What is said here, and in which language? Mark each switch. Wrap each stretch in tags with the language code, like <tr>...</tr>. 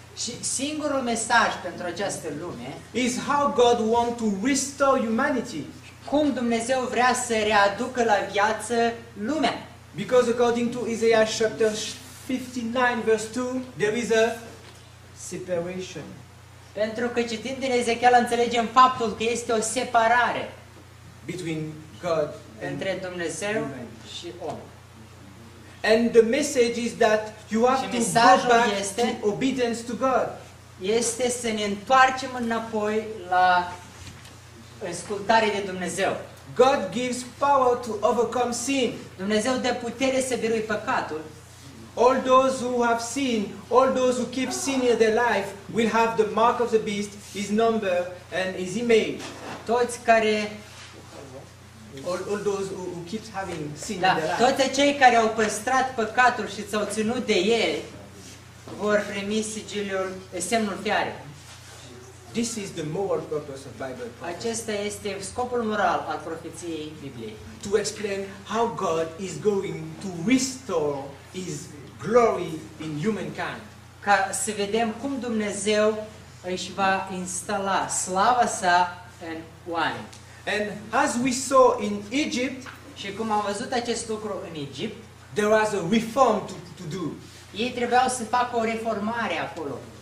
<ro>și singurul mesaj pentru această lume,</ro> <en>is how God wants to restore humanity.</en> <ro>Cum Dumnezeu vrea să readucă la viață lumea.</ro> <en>Because according to Isaiah chapter 59 verse 2, there is a separation.</en> <ro>Pentru că citind din Ezechiel înțelegem faptul că este o separare</ro> <en>between God</en> <ro>între Dumnezeu și om.</ro> <en>And the message is that you have to go back to obedience to God.</en> <ro>Este să ne întoarcem înapoi la ascultare de Dumnezeu.</ro> <en>God gives power to overcome sin.</en> <ro>Dumnezeu dă putere să birui păcatul.</ro> <en>All those who have sinned, all those who keep sin in their life, will have the mark of the beast, his number and his image.</en> <ro>Toți care,</ro> <en>all those who keep having sin,</en> <ro>da,</ro> <en>in their life.</en> <ro>Toți cei care au păstrat păcatul și s-au ținut de el, vor primi sigiliul, semnul fiare.</ro> <en>This is the moral purpose of Bible prophecy.</en> <ro>Acesta este scopul moral al profeției Bibliei.</ro> <en>To explain how God is going to restore his glory in humankind.</en> <ro>Ca să vedem cum Dumnezeu își va instala slava sa în oameni.</ro> <en>And as we saw in Egypt,</en> <ro>și cum am văzut acest lucru în Egipt,</ro> <en>there was a reform to do.</en> <ro>Ei trebuiau să facă o reformare acolo.</ro>